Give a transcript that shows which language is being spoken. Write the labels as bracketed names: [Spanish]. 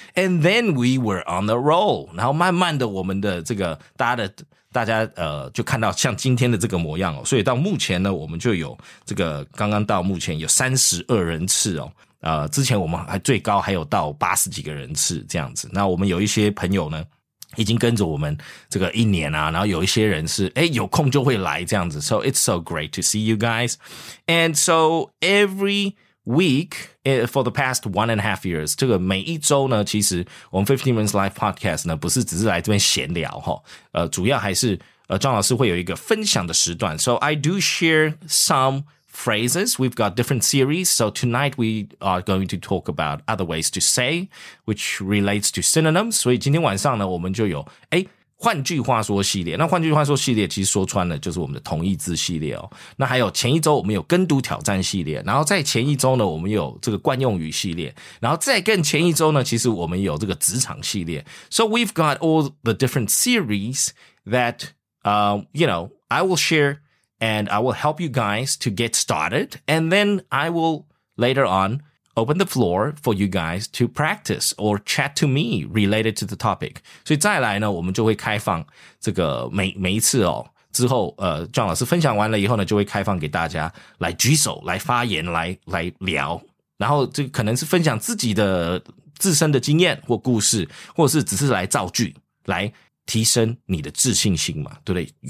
[English] And then we were on the roll, [Chinese] 然后慢慢的我们的这个大家就看到像今天的这个模样哦，所以到目前呢我们就有这个刚刚到目前有32人次哦，之前我们还最高还有到80几个人次这样子。那我们有一些朋友呢已经跟着我们这个一年啊，然后有一些人是有空就会来这样子。 [English] So it's so great to see you guys. And so every week for the past 1.5 years, [Chinese] 这个每一周呢其实我们15 Minutes Live Podcast 呢不是只是来这边闲聊齁，主要还是庄老师会有一个分享的时段。 [English] So I do share some phrases, we've got different series, so tonight we are going to talk about other ways to say, which relates to synonyms. [Chinese] 所以今天晚上呢我们就有换句话说系列，那换句话说系列其实说穿了就是我们的同义字系列哦。那还有前一周我们有跟读挑战系列，然后在前一周呢我们有这个惯用语系列，然后再更前一周呢其实我们有这个职场系列。 [English] So we've got all the different series that you know, I will share and I will help you guys to get started, and then I will later onopen the floor for you guys to practice or chat to me related to the topic. [Chinese] 所以再来呢我们就会开放这个每一次哦之后John老师分享完了以后呢就会开放给大家来举手来发言来聊。然后这可能是分享自己的自身的经验或故事，或者是只是来造句，来提升你的自信心嘛，对不对？